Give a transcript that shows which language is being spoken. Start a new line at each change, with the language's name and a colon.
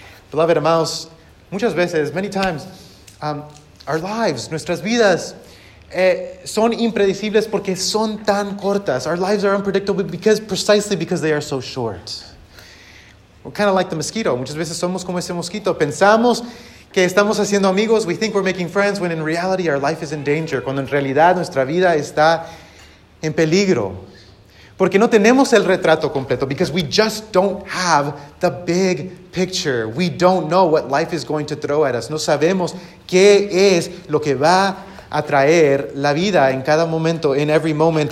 English: Beloved
Spanish: amados, muchas veces,
English: many times, our lives,
Spanish: nuestras vidas, son impredecibles porque son tan cortas.
English: Our lives are unpredictable precisely because they are so short. We're kind of like the mosquito.
Spanish: Muchas veces somos como ese mosquito. Pensamos que estamos haciendo amigos.
English: We think we're making friends when in reality our life is in danger.
Spanish: Cuando en realidad nuestra vida está en peligro. Porque no tenemos el retrato completo.
English: Because we just don't have the big picture. We don't know what life is going to throw at us.
Spanish: No sabemos qué es lo que va atraer la vida en cada momento,
English: in every moment.